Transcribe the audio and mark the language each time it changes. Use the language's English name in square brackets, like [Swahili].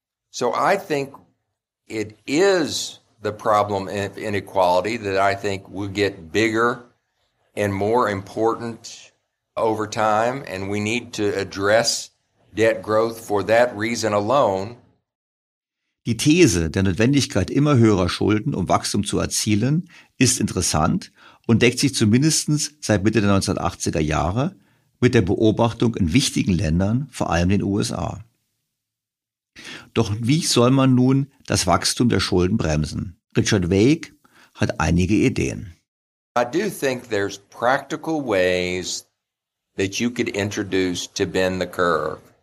[English] So I think it is the problem of inequality that I think will get bigger and more important over time, and we need to address debt growth for that reason alone. [German] Die These der Notwendigkeit immer höherer Schulden, um Wachstum zu erzielen, ist interessant und deckt sich zumindest seit Mitte der 1980er Jahre mit der Beobachtung in wichtigen Ländern, vor allem den USA. Doch wie soll man nun das Wachstum der Schulden bremsen? Richard Waig hat einige Ideen. [English] I do think there's practical ways that you could introduce to bend the curve.